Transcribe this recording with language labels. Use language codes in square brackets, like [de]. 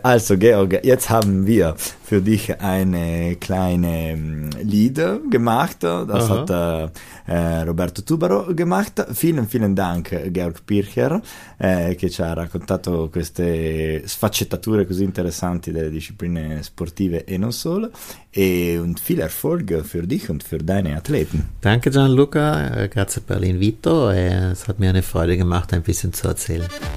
[de] Also Georg, jetzt haben wir für dich eine kleine Lied gemacht. Das hat Roberto Tubaro gemacht. Vielen, vielen Dank [it] Georg Pircher, che ci ha raccontato queste sfaccettature così interessanti delle discipline sportive e non solo. E un [de] viel Erfolg für dich und für deine Athleten. Danke Gianluca, [it] grazie per l'invito, [de] es hat mir eine Freude gemacht, ein bisschen zu erzählen.